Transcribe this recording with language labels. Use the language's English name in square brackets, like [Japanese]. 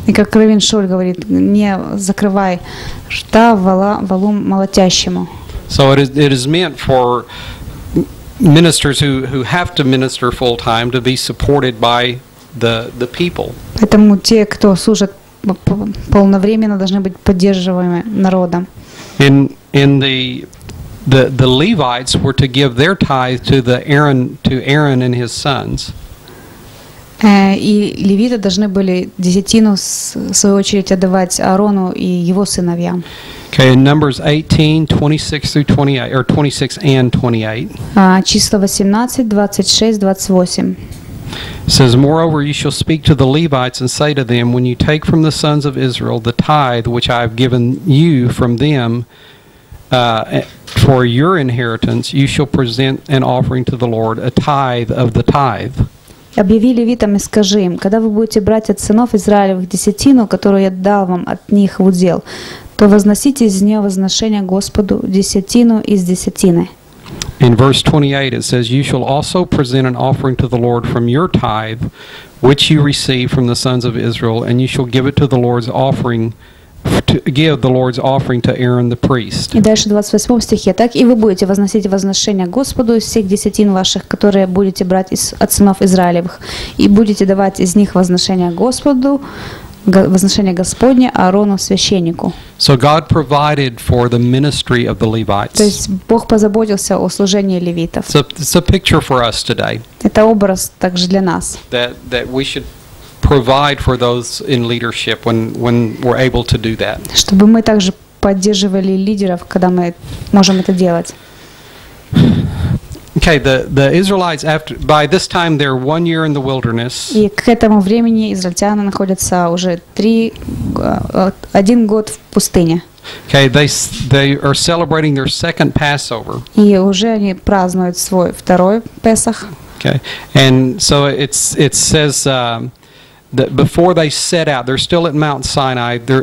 [Russian] И как Равин Шоль говорит, не закрывай рта валу молотящему. [English] So it is meant for ministers who have to minister full time to be supported by the people. [Russian] Поэтому те, кто служат полновременно, должны быть поддерживаемы народом. [English] In the Levites were to give their tithe to Aaron and his sons. [Russian] И левиты должны были десятину, в свою очередь, отдавать Аарону и его сыновьям. [English] Okay, in Numbers 18:26-28, or 26 and 28. [Russian] Число 18:26-28. [English] Says, moreover, you shall speak to the Levites and say to them, when you take from the sons of Israel the tithe which I have given you from them, For your inheritance, you shall present an offering to the Lord, a tithe of the tithe. [Russian] Объяви левитам и скажи им, когда вы будете брать от сынов Израилевых десятину, которую я дал вам от них в удел, то возносите из нее возношение Господу десятину из десятины. [English] In verse 28 it says, you shall also present an offering to the Lord from your tithe, which you receive from the sons of Israel, and you shall give it to the Lord's offering, to give the Lord's offering to Aaron the priest. [Russian] И дальше в 28 стихе, так и вы будете возносить возношение Господу из всех десятин ваших, которые будете брать из от сынов Израилевых, и будете давать из них возношение Господу, возношение Господне Аарону священнику. [English] So God provided for the ministry of the Levites. [Russian] То есть Бог позаботился о служении левитов. [English] So it's a picture for us today. [Russian] Это образ также для нас. [English] That we should provide for those in leadership when we're able to do that. [Russian] Чтобы мы также поддерживали лидеров, когда мы можем это делать. [English] Okay, the Israelites after by this time they're 1 year in the wilderness. [Russian] И к этому времени израильтяне находятся уже 1 год в пустыне. [English] Okay, they are celebrating their second Passover. [Russian] И уже они празднуют свой второй Песах. [English] Okay. And so it says that before they set out, they're still at Mount Sinai.